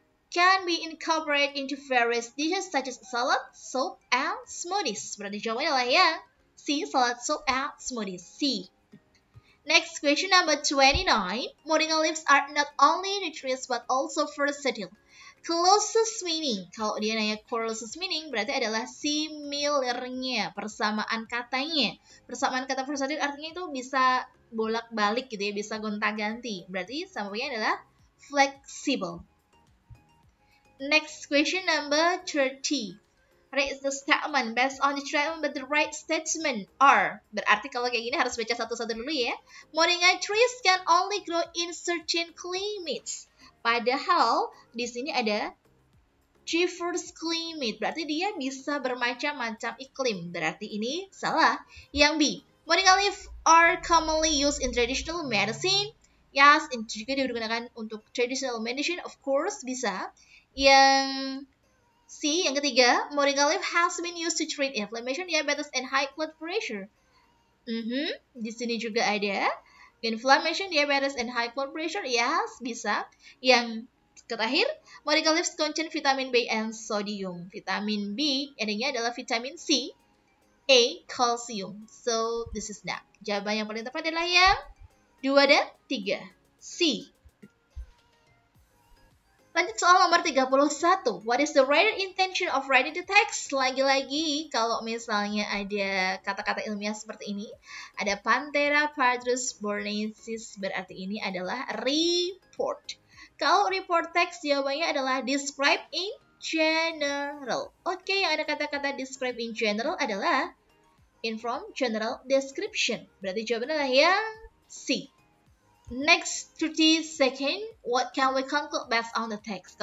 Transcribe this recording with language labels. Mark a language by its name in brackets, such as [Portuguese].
[English] Can be incorporated into various dishes such as salad, soup, and smoothies. [Indonesian] Berarti jawabannya adalah ya. [English] C. Salad, soup, and smoothies. C. Next question number 29. Morning leaves are not only nutritious but also versatile. Closest meaning. [Indonesian] Kalau dia nanya closest meaning berarti adalah similar-nya, persamaan katanya. Persamaan kata versatile artinya itu bisa bolak-balik gitu ya, bisa gonta-ganti. Berarti samanya adalah flexible. [English] Next question number 30. Read the statement based on the treatment, but the right statement are. [Indonesian] Berarti kalau kayak gini harus baca satu-satu dulu ya. [English] Moringa trees can only grow in certain climates. [Indonesian] Padahal di sini ada [English] diverse climate. [Indonesian] Berarti dia bisa bermacam-macam iklim. Berarti ini salah. Yang B. [English] Moringa leaves are commonly used in traditional medicine. [Indonesian] Yes, itu juga digunakan untuk traditional medicine. [English] Of course, [Indonesian] bisa. Yang C, yang ketiga, [English] moringa leaf has been used to treat inflammation, diabetes, and high blood pressure. [Indonesian] Di sini juga ada [English] inflammation, diabetes, and high blood pressure. Yes, [Indonesian] bisa. Yang terakhir, [English] moringa leaves contain vitamin B and sodium. [Indonesian] Vitamin B, endingnya adalah vitamin C, A, calcium. [English] So, this is that. [Indonesian] Jawaban yang paling tepat adalah yang 2 dan 3, C. Lanjut soal nomor 31. [English] What is the writer intention of writing the text? [Indonesian] Lagi-lagi, kalau misalnya ada kata-kata ilmiah seperti ini, ada Panthera pardus bornensis, berarti ini adalah report. Kalau report text, jawabannya adalah [English] describe in general. [Indonesian] Oke, yang ada kata-kata describe in general adalah [English] in from general description. [Indonesian] Berarti jawabannya adalah yang C. [English] Next, 32nd, what can we conclude based on the text?